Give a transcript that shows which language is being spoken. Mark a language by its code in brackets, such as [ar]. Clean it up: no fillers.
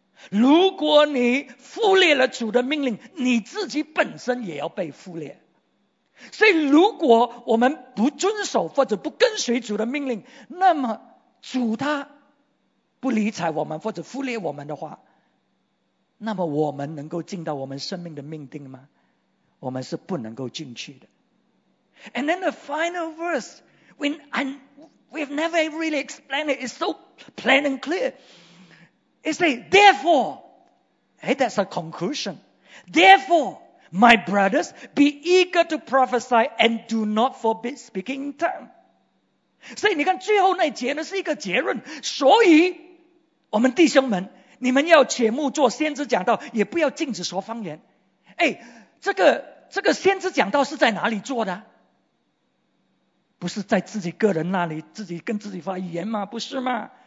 [zh] 如果你忽略了主的命令，你自己本身也要被忽略。所以如果我们不遵守或者不跟随主的命令，那么主他不理睬我们或者忽略我们的话，那么我们能够进到我们生命的命定吗？我们是不能够进去的。 [en] And then the final verse, when we've never really explained it, it's so plain and clear. It says, therefore, hey, that's a conclusion. Therefore, my brothers, be eager to prophesy and do not forbid speaking in tongues. [zh] 所以你看最后那节呢是一个结论，所以我们弟兄们，你们要切莫做先知讲道，也不要禁止说方言。哎，这个先知讲道是在哪里做的？不是在自己个人那里自己跟自己发语言吗？不是吗？